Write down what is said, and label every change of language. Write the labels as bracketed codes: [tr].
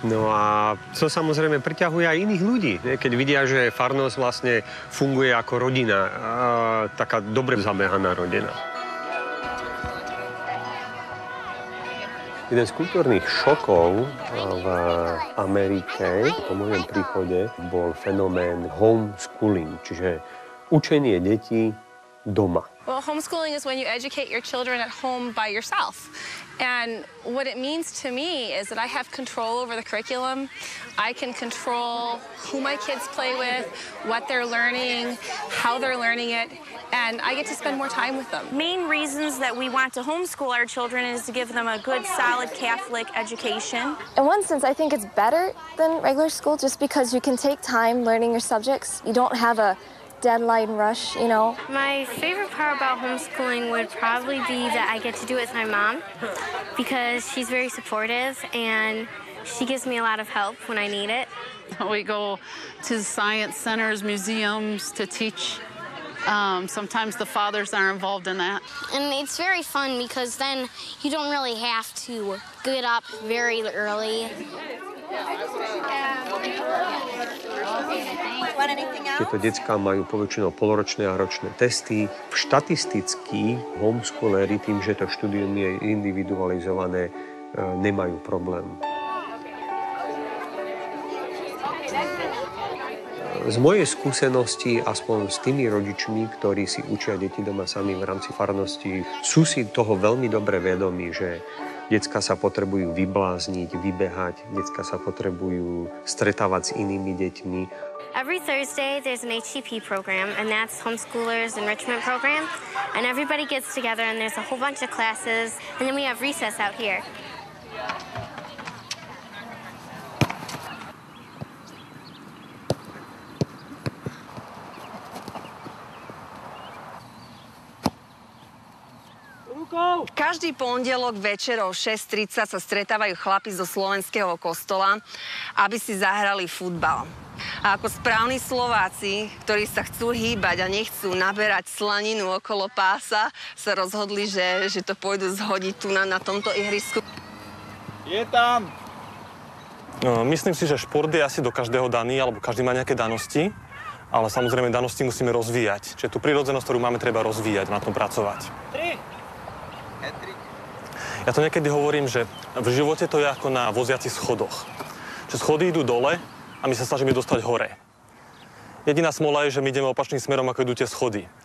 [sk] No a to samozrejme priťahuje aj iných ľudí. Keď vidia, že farnosť vlastne funguje ako rodina, taká dobre zamehaná rodina. Jeden z kultúrnych šokov v Amerike po mojom príchode bol fenomén homeschooling, čiže učenie detí doma. [en] Well, homeschooling is when you educate your children at home by yourself. And what it means to me is that I have control over the curriculum. I can control who my kids play with, what they're learning, how they're learning it, and I get to spend more time with them. Main reasons that we want to homeschool our children is to give them a good, solid Catholic education. In one sense, I think it's better than regular school just because you can take time learning your subjects. You don't have a deadline rush, you know. My favorite part about homeschooling would probably be that I get to do it with my mom because she's very supportive and she gives me a lot of help when I need it. We go to science centers, museums to teach. Sometimes the fathers are involved in that. And it's very fun because then you don't really have to get up very early. [sk] Tieto decká majú poväčšinou poloročné a ročné testy. Štatisticky homeschoolery tým, že to štúdium je individualizované, nemajú problém. Z mojej skúsenosti, aspoň s tými rodičmi, ktorí si učia deti doma sami v rámci farnosti, sú si toho veľmi dobre vedomí, že decká sa potrebujú vyblázniť, vybehať, decká sa potrebujú stretávať s inými deťmi. [en] Every Thursday there's an HTP program, and that's homeschoolers enrichment program, and everybody gets together and there's a whole bunch of classes, and then we have recess out here. [sk] Každý pondelok večer o 6:30 sa stretávajú chlapi zo slovenského kostola, aby si zahrali futbal. A ako správni Slováci, ktorí sa chcú hýbať a nechcú naberať slaninu okolo pása, sa rozhodli, že to pôjdu zhodiť tu na tomto ihrisku. Je tam! No, myslím si, že šport je asi do každého daný, alebo každý má nejaké danosti. Ale samozrejme, danosti musíme rozvíjať. Čiže tú prirodzenosť, ktorú máme, treba rozvíjať, na tom pracovať. Ja to niekedy hovorím, že v živote to je ako na voziacich schodoch. Čiže schody idú dole a my sa snažíme dostať hore. Jediná smola je, že my ideme opačným smerom, ako idú tie schody.